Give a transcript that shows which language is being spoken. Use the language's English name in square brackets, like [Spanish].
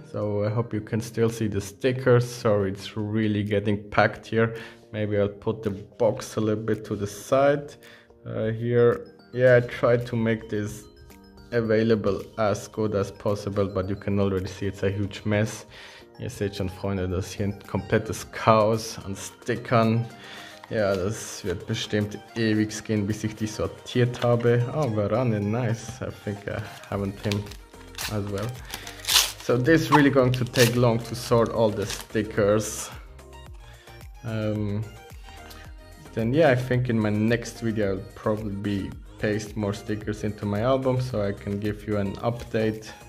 [English] So I hope you can still see the stickers. Sorry, it's really getting packed here. Maybe I'll put the box a little bit to the side. Here, yeah, I tried to make this available as good as possible, but you can already see it's a huge mess. [German] Ihr seht schon, Freunde, das ist hier ein komplettes Chaos an Stickern. Ja, das wird bestimmt ewig gehen, bis ich die sortiert habe. [English] Oh, Varane, nice. I think I haven't him as well. So this is really going to take long to sort all the stickers. Then yeah, I think in my next video I'll probably be paste more stickers into my album so I can give you an update.